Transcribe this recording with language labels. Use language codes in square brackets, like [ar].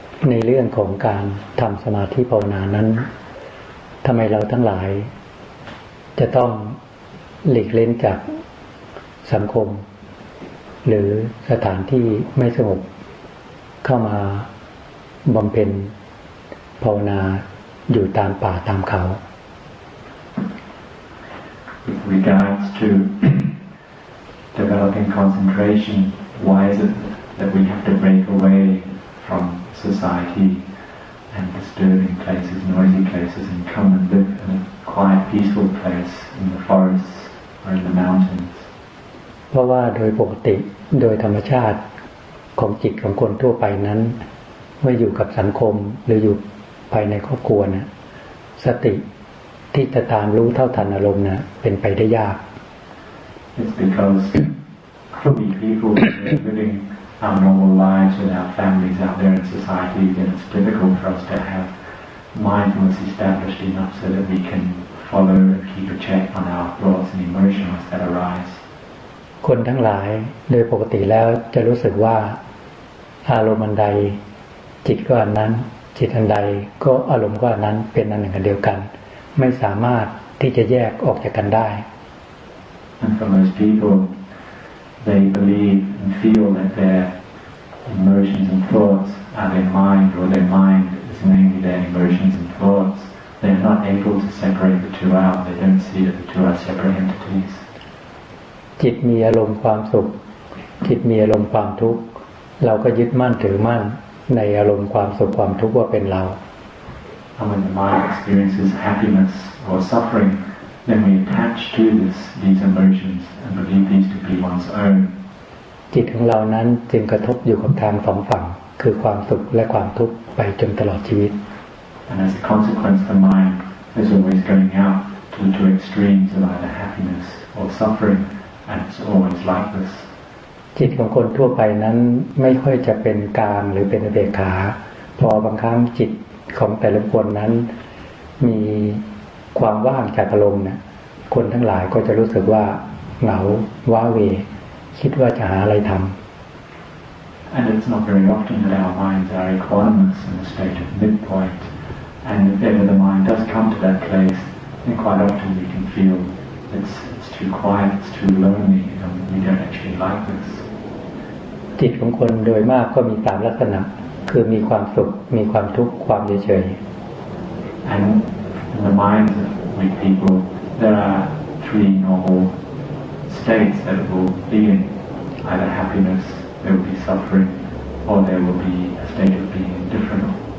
[th] ในเรื่องของการทำสมาธิภาวนานั้นทำไมเราทั้งหลายจะต้องหลีกเล่นจากสังคมหรือสถานที่ไม่สงบเข้ามาบำเพ็ญภาวนาอยู่ตามป่าตามเขา [en] With regards to developing concentration, why is it that we have to break away from society and disturbing places, noisy places, and come and live in a quiet, peaceful place in the forests or in the mountains? [th] เพราะว่าโดยปกติโดยธรรมชาติของจิตของคนทั่วไปนั้นเมื่ออยู่กับสังคมหรืออยู่ภายในครอบครัวน่ะสติที่จะตามรู้เท่าทันอารมณ์น่ะเป็นไปได้ยาก [en] It's because many people are living our normal lives with our families out there in society, then it's difficult for us to have mindfulness established enough so that we can follow and keep a check on our thoughts and emotions that arise. [th] คนทั้งหลายโดยปกติแล้วจะรู้สึกว่าอารมณ์อันใดจิตก็อันนั้นจิตอันใดก็อารมณ์ก็อันนั้นเป็นอันหนึ่งอันเดียวกันไม่สามารถที่จะแยกออกจากกันได้ [en] And for most people they believe and feel that their emotions and thoughts are their mind or their mind is mainly their emotions and thoughts they're not able to separate the two out they don't see that the two are separate entities [th] จิตมีอารมณ์ความสุขจิตมีอารมณ์ความทุกข์เราก็ยึดมั่นถือมั่นในอารมณ์ความสุขความทุกข์ว่าเป็นเรา เมื่อ [en] experiences happiness or suffering then we attach to this these emotions and believe these to be one's own [th] จิตของเรานั้นจึงกระทบอยู่กับทางสองฝั่งคือความสุขและความทุกข์ไปจนตลอดชีวิต [en] and as a consequence the mind is always going out to the two extremes of either happiness or sufferingAnd it's always like this. [th] จิตของคนทั่วไปนั้นไม่ค่อยจะเป็นกลางหรือเป็นอเบกขาพอบางครั้งจิตของแต่ละคนนั้นมีความว่างจากอารมณ์เนี่ยคนทั้งหลายก็จะรู้สึกว่าเหงาว้าเหวคิดว่าจะหาอะไรทำ [en] And it's not very often that our minds are equanimous in a state of midpoint. And if ever the mind does come to that place, then quite often we can feel it'sToo quiet, it's too lonely, and we don't actually like this. [th] จิตของคนโดยมากก็มีสามลักษณะคือมีความสุขมีความทุกข์ความเฉย [en] And in the minds of weak people, there are three normal states that will be in. Either happiness, there will be suffering, or there will be a state of being indifferent.